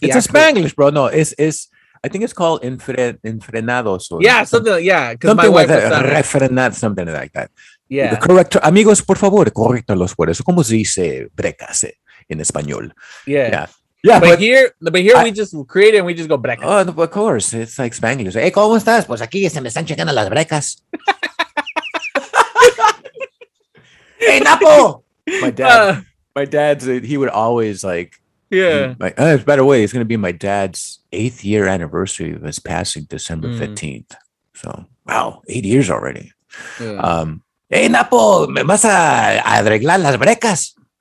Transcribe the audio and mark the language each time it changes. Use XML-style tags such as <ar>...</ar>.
<en>the it's a Spanglish, bro. No, it's. I think it's called enfrenados. Yeah, something like, yeah. Something like that. Refrenad, something like that. Yeah. The correct,</en> <es>amigos, por favor, correctalos por eso. ¿Cómo se dice brecase in español?</es> <en>Yeah. Yeah. Yeah, but here we just create it and we just go brecas. Oh, of course. It's like Spanglish. Hey,</en> <es>¿cómo estás? Pues aquí se me están checando las brecas.</es> <en>Hey, Napo! My dad, he would always like, yeah. By the way, it's going to be my dad's 8th year anniversary of his passing December 15th. So, wow, 8 years already. Yeah.</en> <es>Hey, Napo, ¿me vas a arreglar las brecas?</es>